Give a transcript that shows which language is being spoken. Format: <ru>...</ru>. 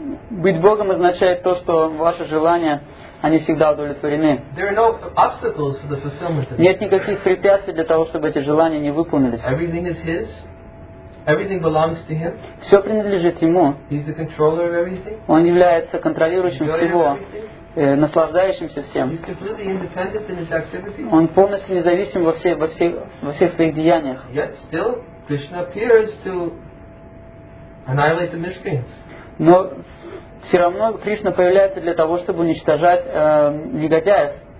<ru>Быть Богом означает то, что ваши желания... Они всегда удовлетворены.</ru> <en>There are no obstacles for the fulfillment of it.</en> <ru>Нет никаких препятствий для того, чтобы эти желания не выполнились.</ru> <en>Everything is his. Everything belongs to him.</en> <ru>Все принадлежит ему.</ru> <en>He's the controller of everything.</en> <ru>Он является контролирующим всего, наслаждающимся всем.</ru> <en>He's completely independent in his activities.</en> <ru>Он полностью независим во всех своих деяниях.</ru> <en>Yet still, Krishna appears to annihilate the miscreants.</en> <ru>Но все равно Кришна появляется для того, чтобы уничтожать негодяев.</ru>